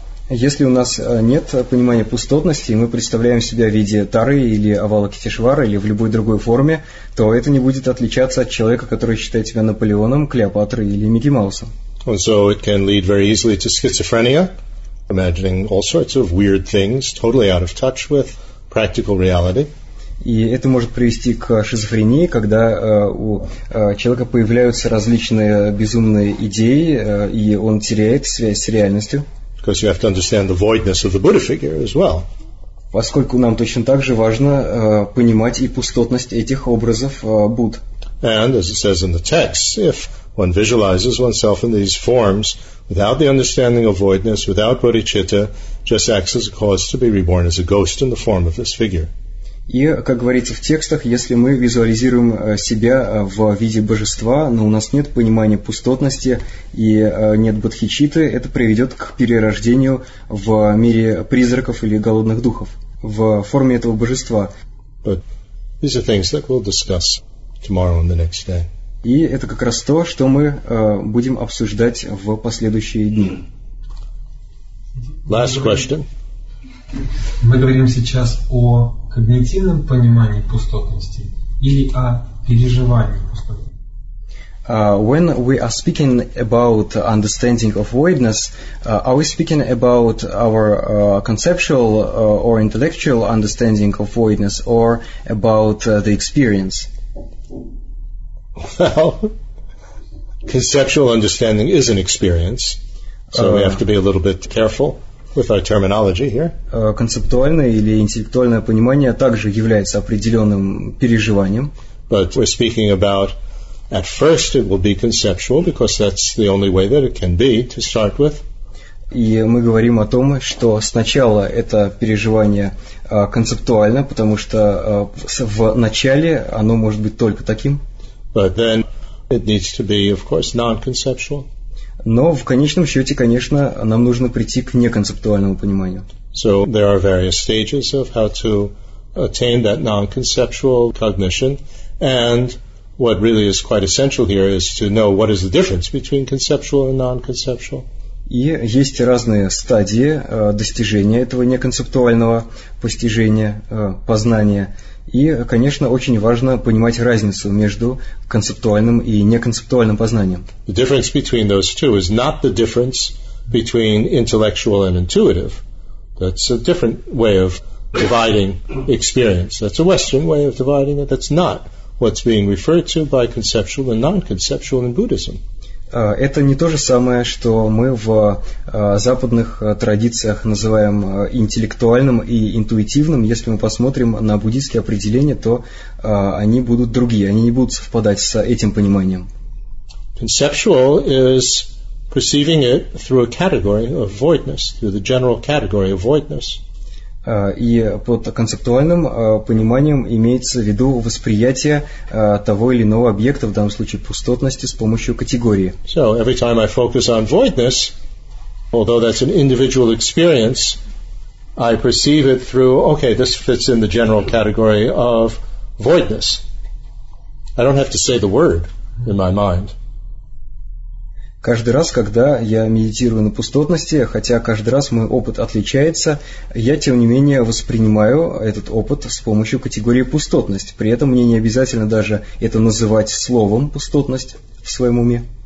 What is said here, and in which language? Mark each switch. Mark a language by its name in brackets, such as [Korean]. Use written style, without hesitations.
[Russian] Если у нас нет понимания пустотности, и мы представляем себя в виде Тары или Авалокитешвары или в любой другой форме, то это не будет отличаться от человека, который считает себя Наполеоном, Клеопатрой или Микки Маусом. [English] And so it can lead very easily to schizophrenia, imagining all sorts of weird things, totally out of touch with practical reality. [Russian] И это может привести к шизофрении, когда у человека появляются различные безумные идеи, и он теряет связь с реальностью. [English] Because you have to understand the voidness of the Buddha figure as well. [Russian] Поскольку нам точно так же важно понимать и пустотность этих образов Будд. [English] And as it says in the text, if one visualizes oneself in these forms without the understanding of voidness, without bodhicitta, just acts as a cause to be reborn as a ghost in the form of this figure. [Russian] И, как говорится в текстах, если мы визуализируем себя в виде божества, но у нас нет понимания пустотности и нет бодхичитты, это приведет к перерождению в мире призраков или голодных духов в форме этого божества. [English] But these are things that we'll discuss tomorrow and the next day. [Russian] И это как раз то, что мы будем обсуждать в последующие дни. [English] Last question. [Russian] Мы говорим сейчас о когнитивном понимании пустотности или о переживании пустоты? [English] When we are speaking about understanding of voidness, are we speaking about our conceptual or intellectual understanding of voidness or about the experience? Well, conceptual understanding is an experience, so we have to be a little bit careful with our terminology here. [Russian] Концептуальное или интеллектуальное понимание также является определенным переживанием. [English] But we're speaking about, at first it will be conceptual, because that's the only way that it can be to start with. [Russian] И мы говорим о том, что сначала это переживание концептуально, потому что в начале оно может быть только таким. [English] But then it needs to be, of course, non-conceptual. [Russian] Но в конечном счете, конечно, нам нужно прийти к неконцептуальному пониманию. [English] So there are various stages of how to attain that non-conceptual cognition, and what really is quite essential here is to know what is the difference between conceptual and non-conceptual. [Russian] И есть разные стадии достижения этого неконцептуального постижения, познания. И, конечно, очень важно понимать разницу между концептуальным и неконцептуальным познанием. [English] The difference between those two is not the difference between intellectual and intuitive. That's a different way of dividing experience. That's a Western way of dividing it. That's not what's being referred to by conceptual and non-conceptual in Buddhism. [Russian] Это не то же самое, что мы в западных традициях называем интеллектуальным и интуитивным. Если мы посмотрим на буддийские определения, то они будут другие, они не будут совпадать с этим пониманием. [English] Conceptual is perceiving it through a category of voidness, through the general category of voidness. [Russian] И под концептуальным пониманием имеется в виду восприятие того или иного объекта, в данном случае пустотности, с помощью категории. [English] So every time I focus on voidness, although that's an individual experience, I perceive it through, okay, this fits in the general category of voidness. I don't have to say the word in my mind. [Russian] Каждый раз, когда я медитирую на пустотности, хотя каждый раз мой опыт отличается, я, тем не менее, воспринимаю этот опыт с помощью категории пустотность. При этом мне не обязательно даже это называть словом пустотность в своем уме.